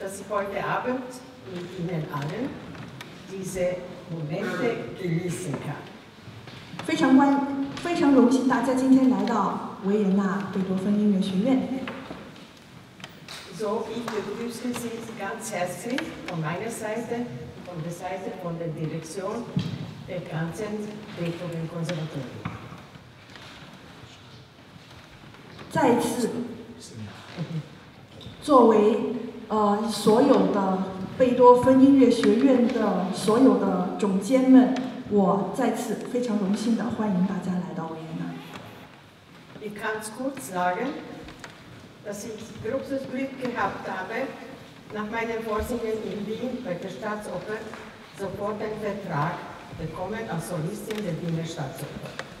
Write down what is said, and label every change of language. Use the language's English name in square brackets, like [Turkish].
[German] Heute Abend mit Ihnen allen diese Momente genießen kann. [Chinese] 非常荣幸大家今天来到维也纳贝多芬音乐学院. [German] So, ich begrüße Sie ganz herzlich von meiner Seite, von der Seite von der Direktion der ganzen Beethoven Konservatorium. [Chinese] 再次作为 所有的贝多芬音乐学院的所有的总监们， 我再次非常荣幸地欢迎大家来到维也纳。 [German] Ich kann es kurz sagen, dass ich großes Glück gehabt habe, nach meinen Vorsingen in Wien bei der Staatsoper sofort einen Vertrag bekommen als Solistin der Wiener Staatsoper.